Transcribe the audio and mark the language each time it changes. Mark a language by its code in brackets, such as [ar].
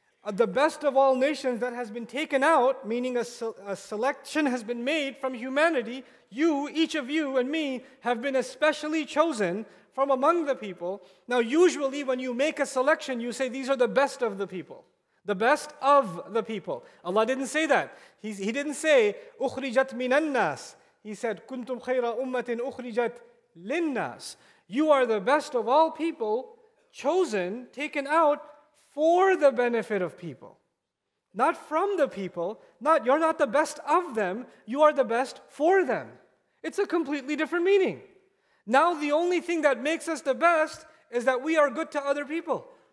[en] The best of all nations that has been taken out, meaning a selection has been made from humanity. You, each of you and me, have been especially chosen from among the people. Now, usually when you make a selection, you say these are the best of the people. The best of the people. Allah didn't say that. He didn't say, [ar] أُخْرِجَتْ مِنَ النَّاسِ. He said, كُنْتُمْ خَيْرَ أُمَّةٍ أُخْرِجَتْ لِلنَّاسِ. [en] You are the best of all people, chosen, taken out, for the benefit of people, not from the people. Not you're not the best of them, you are the best for them. It's a completely different meaning. Now the only thing that makes us the best is that we are good to other people.